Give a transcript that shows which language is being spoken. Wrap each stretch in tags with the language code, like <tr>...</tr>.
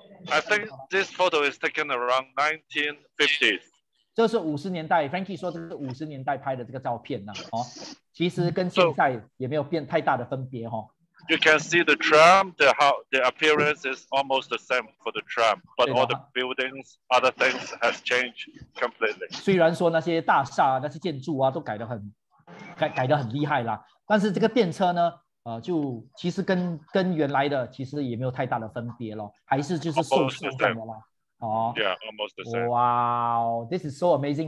<en>I think this photo is taken around 1950s.</en> <zh>这是五十年代 ，Frankie 说这是五十年代拍的这个照片呢、哦。其实跟现在也没有变太大的分别哈。</zh> <en>You can see the tram, the, how, the appearance is almost the same for the tram, but all the buildings, other things has changed completely.</en> <zh>虽然说那些大厦、那些建筑啊都改得很厉害啦，但是这个电车呢，就其实跟原来的其实也没有太大的分别咯，还是就是瘦瘦的啦。哦、</zh> <en>yeah, almost the same. Wow, this is so amazing.</en>